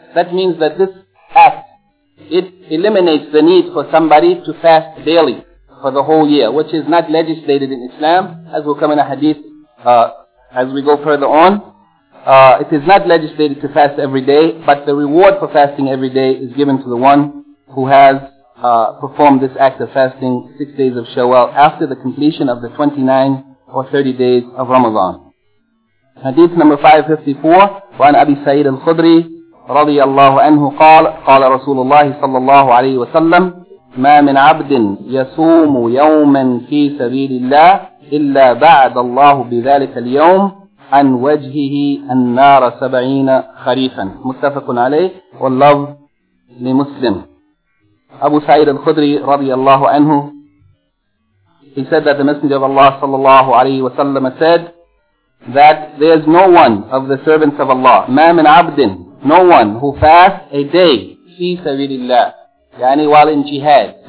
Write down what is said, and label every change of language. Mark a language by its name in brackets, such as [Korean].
[English] That means that this act, it eliminates the need for somebody to fast daily for the whole year, which is not legislated in Islam, as will come in a hadith as we go further on. It is not legislated to fast every day, but the reward for fasting every day is given to the one who has performed this act of fasting 6 days of Shawwal after the completion of the 29 or 30 days of Ramadan. Hadith number 554, [Arabic] وعن أبي سعيد الخدري رضي الله عنه قال قال رسول الله صلى الله عليه وسلم ما من عبد يصوم يوما في سبيل الله إلا بعد الله بذلك اليوم عن وجهه النار 70 خريفا. متفق عليه واللفظ لمسلم. [English] Abu Sa'id al-Khudri radiallahu anhu, he said that the Messenger of Allah sallallahu alayhi wa sallam said that there is no one of the servants of Allah, [Arabic] ma min abdin, [English] no one who fasts a day fi sabilillah, yani while in jihad.